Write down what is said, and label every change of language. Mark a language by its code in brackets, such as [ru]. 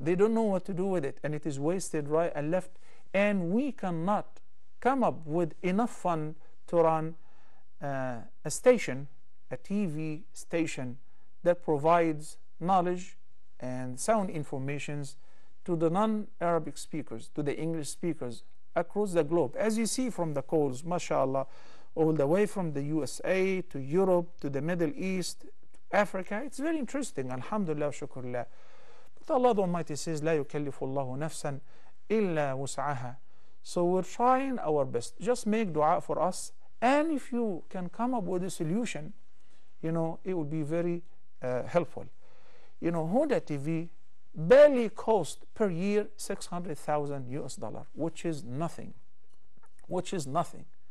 [en] They don't know what to do with it, and it is wasted right and left. And we cannot come up with enough fund to run a station, a TV station, that provides knowledge and sound informations to the non-Arabic speakers, to the English speakers across the globe. As you see from the calls, mashallah, all the way from the USA to Europe to the Middle East, Africa, it's very interesting, alhamdulillah, shukrullah. The Allah Almighty says, [ar] لا يكلف الله نفسا إلا وسعها. [en] So we're trying our best. Just make dua for us. And if you can come up with a solution, you know, it would be very helpful. You know, Huda TV barely cost per year $600,000, which is nothing. Which is nothing.